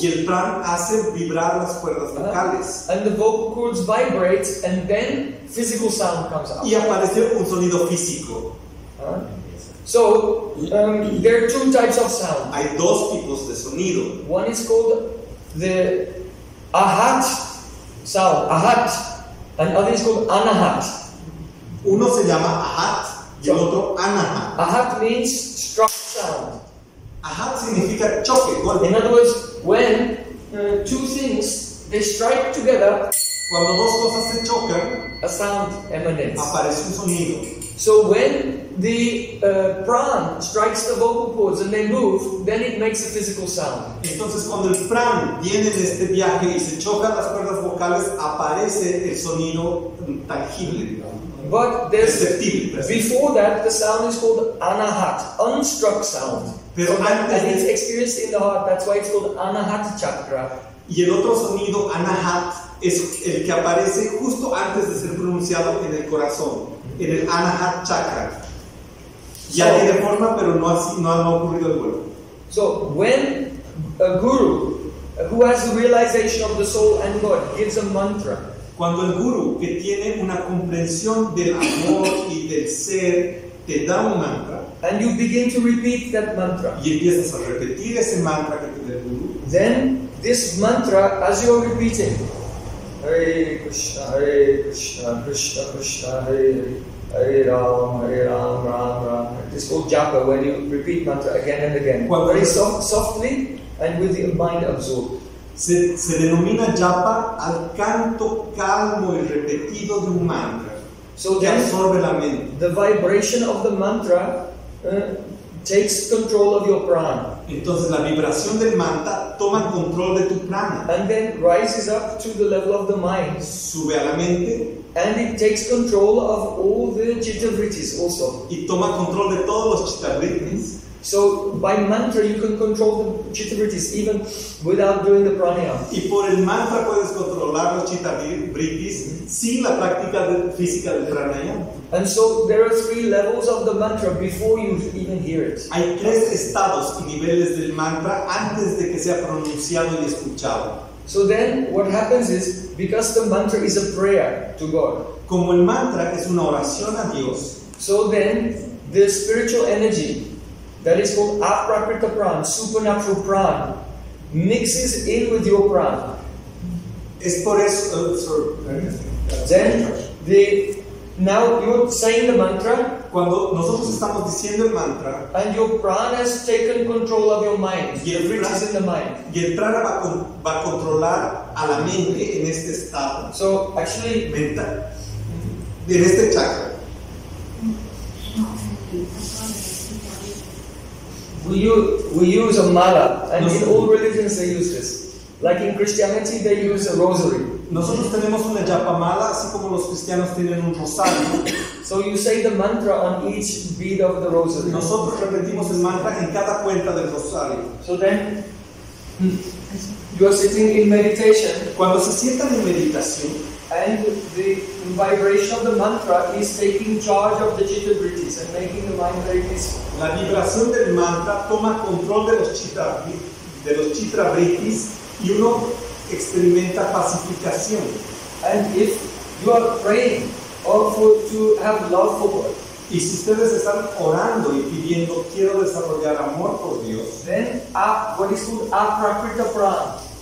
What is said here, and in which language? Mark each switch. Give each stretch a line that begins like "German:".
Spanish: Y el prana hace vibrar las cuerdas vocales.
English: And the vocal cords vibrate, and then physical sound comes up.
Spanish: Y aparece un sonido físico.
English: So there are two types of sound.
Spanish: Hay dos tipos de sonido.
English: One is called the ahat sound, ahat, and other is called anahat.
Spanish: Uno se llama ahat y el otro anahat.
English: Ahat means struck sound.
Spanish: Ahat significa choque, golpe.
English: In other words, when two things they strike together,
Spanish: cuando dos cosas se chocan,
English: a sound emanates.
Spanish: Aparece un sonido.
English: So when the prana strikes the vocal cords and they move, then it makes a physical sound.
Spanish: Entonces cuando el prana viene de este viaje y se choca las cuerdas vocales, aparece el sonido tangible.
English: But there's, before that, the sound is called anahat, unstruck sound.
Spanish: Pero antes,
English: and it's experienced in the heart, that's why it's called anahat chakra.
Spanish: Y el otro sonido, anahat, es el que aparece justo antes de ser pronunciado en el corazón, en el anahat chakra. Ya so, tiene forma, pero no ha ocurrido el vuelo.
English: So, when a guru, who has the realization of the soul and God, gives a mantra,
Spanish: cuando el guru que tiene una comprensión del amor y del ser te da un mantra,
English: and you begin to repeat that mantra,
Spanish: y empiezas a repetir ese mantra que tiene el guru,
English: then this mantra, as you are repeating, Hare Krishna, Hare Krishna, Krishna Krishna, Hare Ram, Hare Ram, Ram Ram. This is called japa, when you repeat mantra again and again, very softly and with the mind absorbed.
Spanish: Se denomina japa al canto calmo y repetido de un mantra.
English: So
Spanish: que absorbe la mente.
English: The vibration of the mantra takes control of your prana.
Spanish: Entonces la vibración del mantra toma control de tu prana.
English: And then rises up to the level of the mind.
Spanish: Sube a la mente.
English: And it takes control of all the chitta-vrittis also.
Spanish: Y toma control de todos los chitta-vrittis.
English: So by mantra you can control the chitta-vrittis even without doing the pranayama.
Spanish: Y por el mantra puedes controlar los chitta-vrittis sin la práctica física del pranayama.
English: And so there are three levels of the mantra before you even hear it.
Spanish: Hay tres estados y niveles del mantra antes de que sea pronunciado y escuchado.
English: So then what happens is, because the mantra is a prayer to God.
Spanish: Como el mantra es una oración a Dios.
English: So then the spiritual energy that is called aprakrita prana, supernatural prana, mixes in with your prana.
Spanish: Es por eso,
English: then, the, now you're saying the mantra.
Spanish: Cuando nosotros estamos diciendo el mantra.
English: And your prana has taken control of your mind.
Spanish: Y el prana,
English: is in the mind.
Spanish: Y el prana va a controlar a la mente en este estado.
English: So, actually,
Spanish: mental. En este chakra.
English: We use a mala, and in all religions they use this. Like in Christianity, they use a rosary.
Spanish: Nosotros tenemos una yapamala, así como los cristianos tienen un rosario.
English: So you say the mantra on each bead of the rosary.
Spanish: Nosotros repetimos el mantra en cada cuenta del rosario.
English: So then, you are sitting in meditation.
Spanish: Cuando se sientan en meditación,
English: and the vibration of the mantra is taking charge of the chitta vrittis and making the mind very peaceful.
Spanish: La vibración del mantra toma control de los chitta vrittis, y uno experimenta pacificación.
English: And if you are praying or to have love for God,
Spanish: y si ustedes están orando y pidiendo quiero desarrollar amor por Dios,
English: then what is called aprakrita pran.